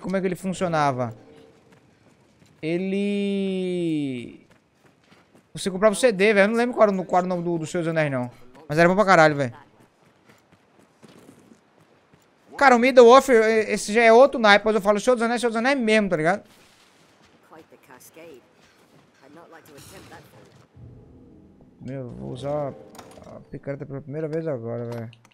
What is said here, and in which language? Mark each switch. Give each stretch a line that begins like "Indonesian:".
Portuguese: Como é que ele funcionava? Ele... Você comprava o CD, velho. Eu não lembro qual era o nome do Senhor dos Anéis, não. Mas era bom pra caralho, velho. Cara, o Middle-earth, esse já é outro naipe, depois eu falo Senhor dos Anéis mesmo, tá ligado?
English: cascade. I'd not like to attempt that for you.
Portuguese: Meu, vou usar a picareta pela primeira vez agora, velho.